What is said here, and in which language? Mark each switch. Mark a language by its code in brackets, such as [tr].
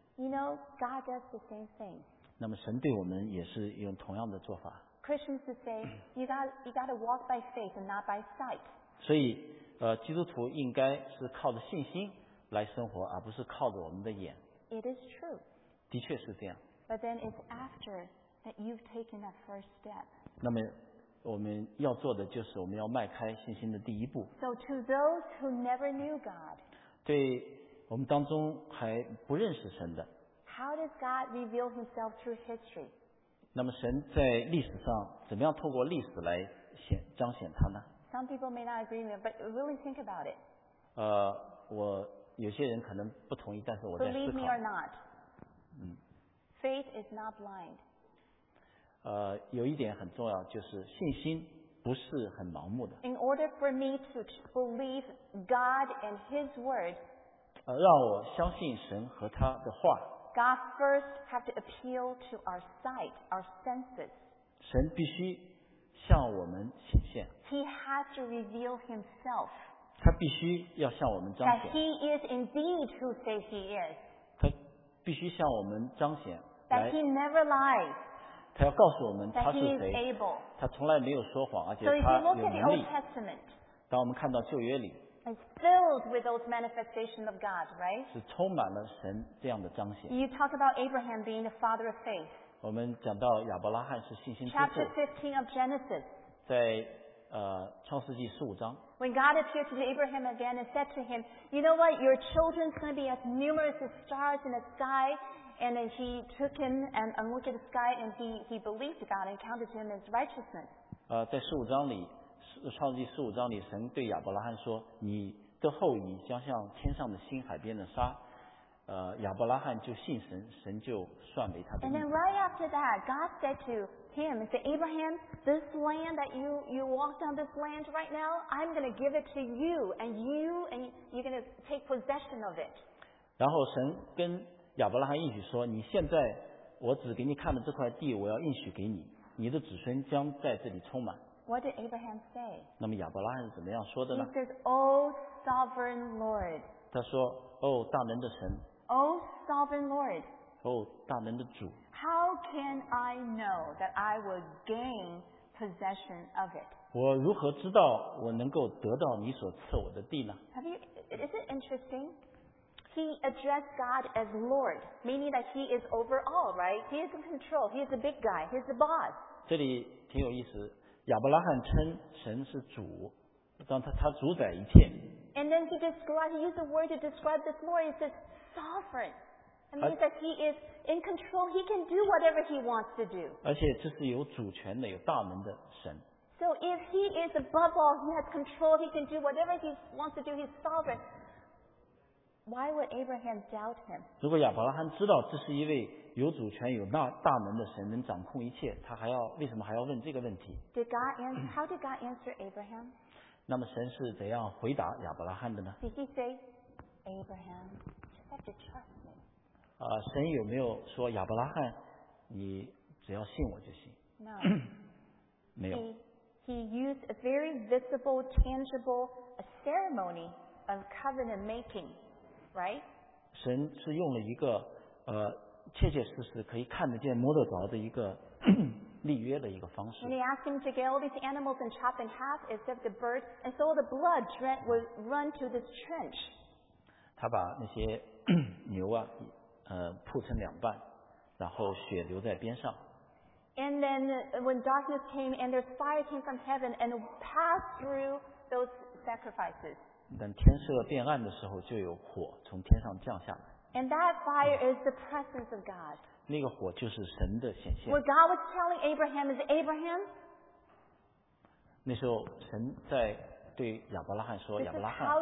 [en] You know, God does the same thing. [zh] 那么神对我们也是用同样的做法。 [en] Christians to say, you got to walk by faith and not by sight. [zh] 所以基督徒应该是靠着信心来生活，而不是靠着我们的眼。 [en] It is true. [zh] 的确是这样。 [en] But then it's after that you've taken that first step. [zh] 那么我们要做的就是我们要迈开信心的第一步。 [en] So to those who never knew God. [zh] 对我们当中还不认识神的。 [en] How does God reveal himself through history? [zh] 那么神在历史上怎么样透过历史来彰显他呢？ [en] Some people may not agree with me, but really think about it. [zh] 我有些人可能不同意，但是我在思考。 [en] Believe me or not, faith is not blind. [zh] 有一点很重要，就是信心不是很盲目的。 [en] In order for me to believe God and His word, [zh] 让我相信神和他的话。 [en] God first have to appeal to our sight, our senses. [zh] 神必须向我们显现。 [en] He has to reveal Himself. [zh] 他必须要向我们彰显。 [en] That He is indeed who says He is. [zh] 他必须向我们彰显。 [en] That He never lies. [zh] 他要告诉我们他是谁。 [en] That He is able. [zh] 他从来没有说谎，而且他有能力。当我们看到旧约里。 [en] It's filled with those manifestations of God, right? [zh] 是充满了神这样的彰显。 [en] You talk about Abraham being the father of faith. [zh] 我们讲到亚伯拉罕是信心之父。 [en] Chapter 15 of Genesis. [zh] 在创世纪十五章。 [en] When God appeared to Abraham again and said to him, "You know what? Your children's going to be as numerous as stars in the sky." And then he took him and looked at the sky, and he believed God and counted him as righteousness. [zh] 在十五章里。创世纪十五章里，神对亚伯拉罕说：“你的后裔将像天上的星、海边的沙。” 亚伯拉罕就信神，神就算为他的义。 [en] And then right after that, God said to him, "He said, Abraham, this land that you walked on this land right now, I'm going to give it to you, and you're going to take possession of it." [zh] 然后神跟亚伯拉罕应许说：“你现在我只给你看的这块地，我要应许给你，你的子孙将在这里充满。” [en] What did Abraham say? [zh] 那么亚伯拉罕是怎么样说的呢？ [en] He says, "O Sovereign Lord." [zh] 他说，哦，大能的神。 [en] O Sovereign Lord. [zh] 哦，大能的主。 [en] How can I know that I will gain possession of it? [zh] 我如何知道我能够得到你所赐我的地呢？ [en] Is it interesting? He addressed God as Lord, meaning that He is over all, right? He is in control. He is the big guy. He is the boss. [zh] 这里挺有意思。亚伯拉罕称神是主，让他主宰一切。 [en] And then he described, he used a word to describe this Lord. He says sovereign. I mean that he is in control. He can do whatever he wants to do. [zh] 而且这是有主权的、有大能的神。 [en] So if he is above all, he has control. He can do whatever he wants to do. He's sovereign. Why would Abraham doubt him? [zh] 如果亚伯拉罕知道这是一位有主权、有大能的神，能掌控一切，他还要为什么还要问这个问题 [en] ？Did God answer? How did God answer Abraham? [zh] 那么神是怎样回答亚伯拉罕的呢 [en] ？Did he say, Abraham, you have to trust me? [zh] 神有没有说亚伯拉罕，你只要信我就行 [en] ？No, [zh] 没有。 [en] He used a very visible, tangible, a ceremony of covenant making, right? [zh] 神是用了一个切切实实可以看得见摸得着的一个立约的一个方式。 [en] And he asked him to get all these animals and chop in half except the birds, and so the blood would run to this trench. [zh] 他把那些牛啊，铺成两半，然后血流在边上。 [en] And then when darkness came and there's fire came from heaven and passed through those sacrifices. [zh] 等天色变暗的时候，就有火从天上降下来。 [en] And that fire is the presence of God. [zh] 那个火就是神的显现。 [en] What God was telling Abraham is Abraham. [zh] 那时候神在对亚伯拉罕说：“亚伯拉罕。”